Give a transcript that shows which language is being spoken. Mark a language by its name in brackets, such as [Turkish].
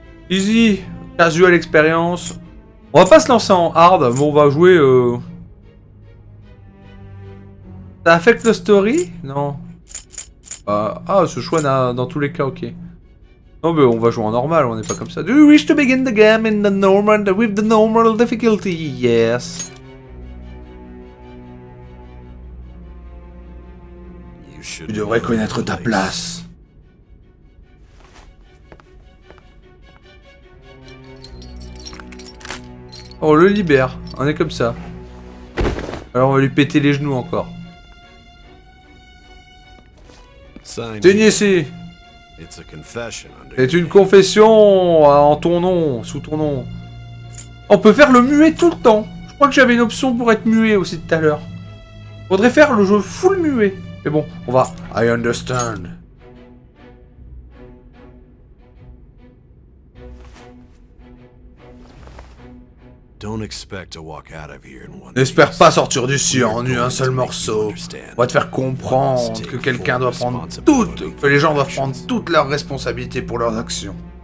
[English] Easy, casual expérience. [French] On va pas se lancer en hard, mais on va jouer. Ça affecte le story? Non. Ce choix n'a dans tous les cas, ok. Non, mais on va jouer en normal, on n'est pas comme ça. [English] Do you wish to begin the game in the normal, with the normal difficulty? Yes. [French] Tu devrais connaître ta place. Oh, le libère, on est comme ça. Alors on va lui péter les genoux encore. Signez ici. C'est une confession en ton nom, sous ton nom. On peut faire le muet tout le temps. Je crois que j'avais une option pour être muet aussi tout à l'heure. Faudrait faire le jeu full muet. Mais bon, on va. [English] I understand. Don't expect to walk out of here in one. [French] N'espère pas sortir d'ici en un seul morceau. On va te faire comprendre que quelqu'un doit prendre toutes, que les gens doivent prendre toute leur responsabilité pour leurs actions.